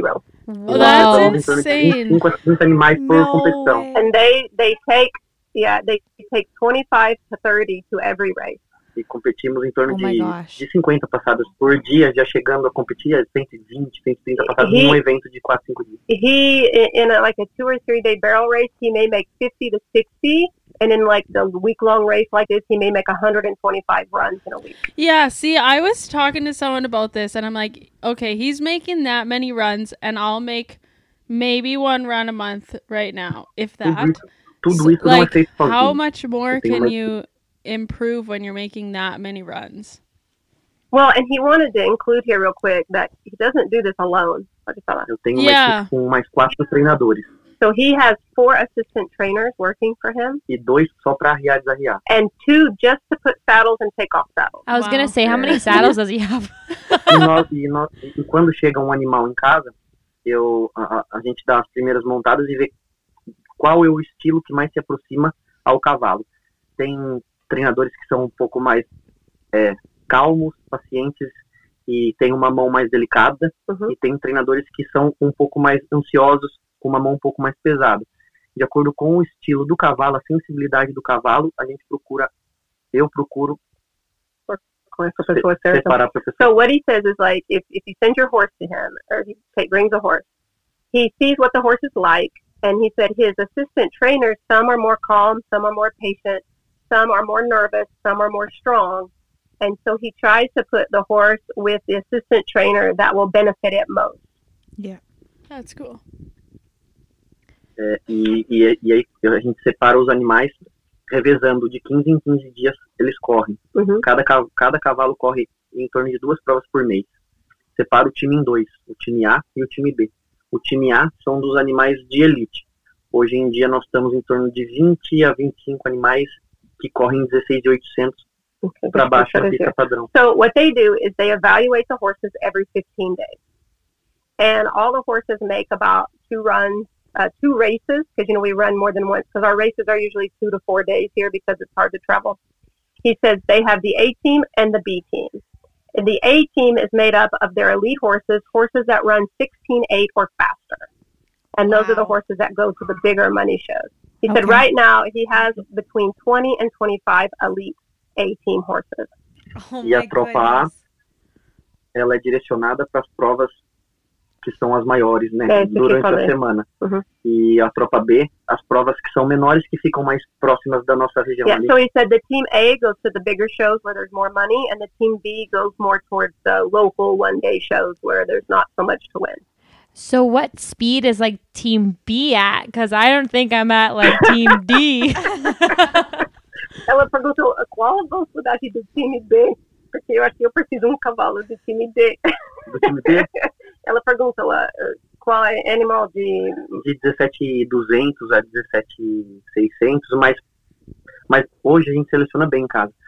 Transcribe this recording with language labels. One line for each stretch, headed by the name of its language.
English: Well, that's insane. 25
Portuguese: a 30 animais por competição.
English: And they take... Yeah, they take 25 to 30 to every race.
Portuguese: E competimos em torno de 50 passadas por dia, já chegando a competir 120, 130 passadas em um evento de 4, 5 dias.
English: He, in a, like a 2 or 3 day barrel race, he may make 50 to 60, and in like the week long race like this, he may make 125 runs in a week. Yeah, see, I was talking to someone about this, and I'm like, okay, he's making that many runs, and I'll make maybe one run a month right now, if that. Mm-hmm. Like, how much more can you improve when you're making that many runs? Well, and he wanted to include here real quick that he doesn't do this alone. Yeah.
Portuguese: Mais quatro treinadores.
English: So he has 4 assistant trainers working for him.
Portuguese: E dois só pra arriar, desarriar.
English: And 2 just to put saddles and take off saddles. I was going to say, how many saddles does he have?
Portuguese: E quando chega um animal em casa, a gente dá as primeiras montadas e vê... Qual é o estilo que mais se aproxima ao cavalo? Tem treinadores que são um pouco mais calmos, pacientes, e tem uma mão mais delicada. Uhum. E tem treinadores que são um pouco mais ansiosos, com uma mão um pouco mais pesada. De acordo com o estilo do cavalo, a sensibilidade do cavalo, a gente procura, eu procuro... Com essa pessoa certa. Separar a
English: pessoa. So what he says is like, if you send your horse to him, or he brings a horse, he sees what the horse is like, and he said his assistant trainers, some are more calm, some are more patient, some are more nervous, some are more strong. And so he tries to put the horse with the assistant trainer that will benefit it most. Yeah. That's cool.
Portuguese: E aí a gente separa os animais, revezando de 15 em 15 dias, eles correm. Uhum. Cada cavalo corre em torno de 2 provas por mês. separa o time em dois, o time A e o time B. O time A são dos animais de elite. Hoje em dia nós estamos em torno de 20 a 25 animais que correm 16.800 para baixo da pista padrão.
English: So what they do is they evaluate the horses every 15 days. And all the horses make about two races, because, you know, we run more than once, because our races are usually 2 to 4 days here because it's hard to travel. He says they have the A team and the B team. And the A team is made up of their elite horses, horses that run 16.8 or faster. And those are the horses that go to the bigger money shows. He said right now he has between 20 and 25 elite A team horses. Oh, my goodness.
Portuguese: E a tropa A, ela é direcionada para as provas que são as maiores, né? Durante a semana. Uhum. E a tropa B, as provas que são menores, que ficam mais próximas da nossa região.
English: Yeah, so he said the team A goes to the bigger shows where there's more money, and the team B goes more towards the local one-day shows where there's not so much to win. So what speed is, like, team B at? Because I don't think I'm at, like, team D.
Portuguese: Ela perguntou, qual a velocidade do time B? Porque eu acho que eu preciso cavalo do time D. Do time B? Ela pergunta lá, qual é animal de... De 17.200 a 17.600, mas hoje a gente seleciona bem em casa.